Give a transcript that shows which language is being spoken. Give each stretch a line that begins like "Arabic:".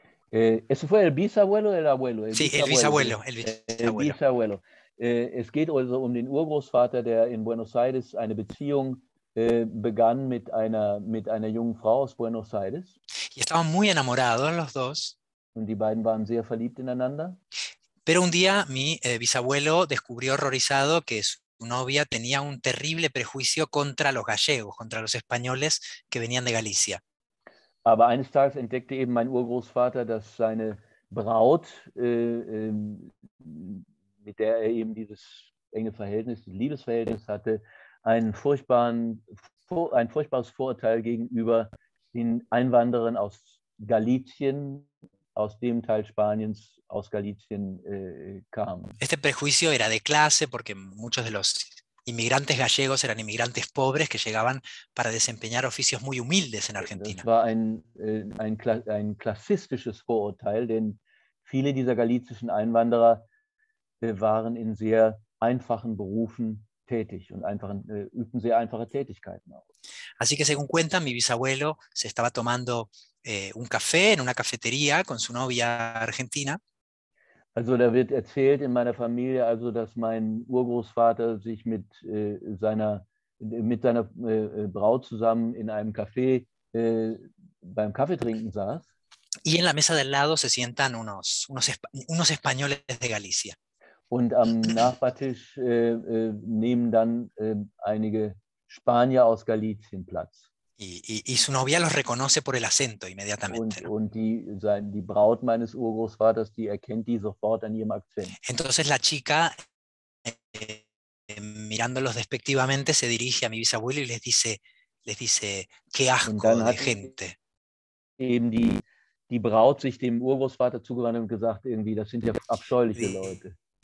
Spanish: Eso fue el bisabuelo del abuelo. El bisabuelo.
German: Es geht also um den Urgroßvater, der in Buenos Aires eine Beziehung begann mit einer jungen Frau aus Buenos Aires.
Spanish: Y estaban muy enamorados los dos.
German: Und die beiden waren sehr verliebt ineinander.
Spanish: Pero un día mi bisabuelo descubrió horrorizado que su novia tenía un terrible prejuicio contra los gallegos, contra los españoles que venían de Galicia.
German: Aber eines Tages entdeckte eben mein Urgroßvater, dass seine Braut, mit der er eben dieses enge Verhältnis, dieses Liebesverhältnis hatte, ein furchtbares Vorurteil gegenüber den Einwanderern aus Galicien, aus dem Teil Spaniens, aus Galicien kam.
Spanish: Este prejuicio era de clase, porque muchos de los inmigrantes gallegos eran inmigrantes pobres que llegaban para desempeñar oficios muy humildes en Argentina.
German: Das war ein klassistisches Vorurteil, denn viele dieser galizischen Einwanderer waren in sehr einfachen Berufen tätig und übten sehr einfache Tätigkeiten aus.
Spanish: Así que según cuenta, mi bisabuelo se estaba tomando un café en una cafetería con su novia argentina.
German: Also da wird erzählt in meiner Familie, also dass mein Urgroßvater sich mit seiner Braut zusammen in einem Café beim Kaffeetrinken saß.
Spanish: Y en la mesa del lado se sientan unos españoles de Galicia.
German: Und am Nachbartisch nehmen dann einige Spanier aus Galicien Platz.
Spanish: Y su novia los reconoce por el acento inmediatamente.
German: Die Braut meines Urgroßvaters, die erkennt die sofort an ihrem Akzent.
Spanish: Entonces la chica, mirándolos despectivamente, se dirige a mi bisabuelo y les dice, qué asco de gente.
German: Eben die Braut sich dem Urgroßvater zugewandt und gesagt, irgendwie, das sind ja abscheuliche Leute.